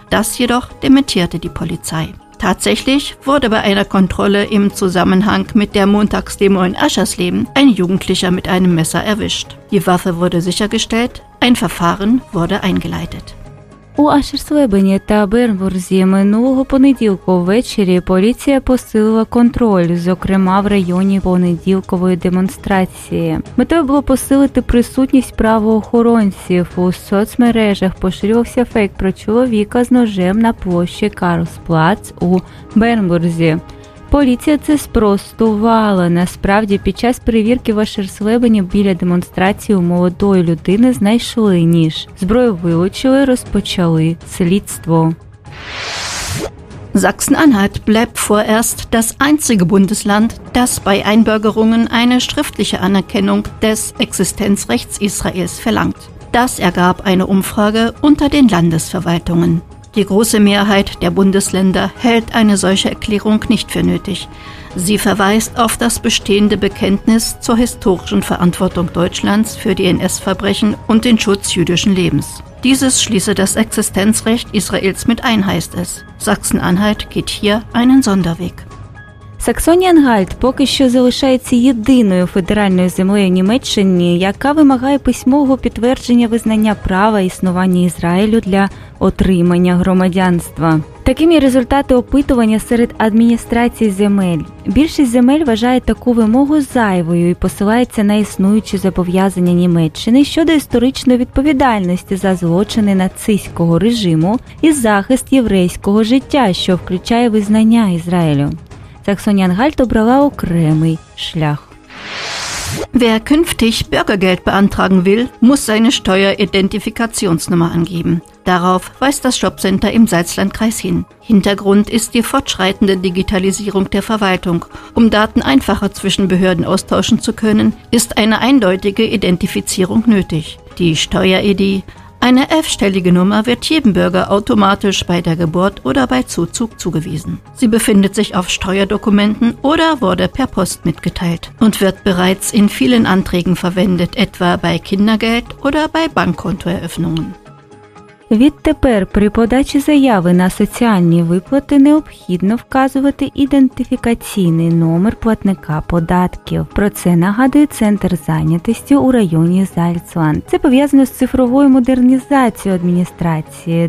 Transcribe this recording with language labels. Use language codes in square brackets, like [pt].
[de] Das jedoch dementierte die Polizei. Tatsächlich wurde bei einer Kontrolle im Zusammenhang mit der Montagsdemo in Ашерслібен ein Jugendlicher mit einem Messer erwischt. Die Waffe wurde sichergestellt, ein Verfahren wurde eingeleitet. [uk] У Ашерслібені та Бернбурзі минулого понеділку ввечері поліція посилила контроль, зокрема в районі понеділкової демонстрації. Метою було посилити присутність правоохоронців. У соцмережах поширювався фейк про чоловіка з ножем на площі Карлсплац у Бернбурзі. Поліція це спростувала. Насправді, під час перевірки в Ашерслібені біля демонстрації у молодої людини знайшли ніж. Зброю вилучили, розпочали слідство. [de] Sachsen-Anhalt bleibt vorerst das einzige Bundesland, das bei Einbürgerungen eine schriftliche Anerkennung des Existenzrechts Israels verlangt. Das ergab eine Umfrage unter den Landesverwaltungen. Die große Mehrheit der Bundesländer hält eine solche Erklärung nicht für nötig. Sie verweist auf das bestehende Bekenntnis zur historischen Verantwortung Deutschlands für die NS-Verbrechen und den Schutz jüdischen Lebens. Dieses schließe das Existenzrecht Israels mit ein, heißt es. Sachsen-Anhalt geht hier einen Sonderweg. [uk] Саксонія-Анхальт поки що залишається єдиною федеральною землею Німеччини, яка вимагає письмового підтвердження визнання права існування Ізраїлю для отримання громадянства. Такими є результати опитування серед адміністрацій земель. Більшість земель вважає таку вимогу зайвою і посилається на існуючі зобов'язання Німеччини щодо історичної відповідальності за злочини нацистського режиму і захист єврейського життя, що включає визнання Ізраїлю. Саксонія-Анхальт обрала окремий шлях. [de] Wer künftig Bürgergeld beantragen will, muss seine Steueridentifikationsnummer angeben. Darauf weist das Jobcenter im Salzlandkreis hin. Hintergrund ist die fortschreitende Digitalisierung der Verwaltung. Um Daten einfacher zwischen Behörden austauschen zu können, ist eine eindeutige Identifizierung nötig. Die Steuer-ID. Eine 11-stellige Nummer wird jedem Bürger automatisch bei der Geburt oder bei Zuzug zugewiesen. Sie befindet sich auf Steuerdokumenten oder wurde per Post mitgeteilt und wird bereits in vielen Anträgen verwendet, etwa bei Kindergeld oder bei Bankkontoeröffnungen. [uk] Відтепер при подачі заяви на соціальні виплати необхідно вказувати ідентифікаційний номер платника податків. Про це нагадує Центр зайнятості у районі Зальцланд. Це пов'язано з цифровою модернізацією адміністрації.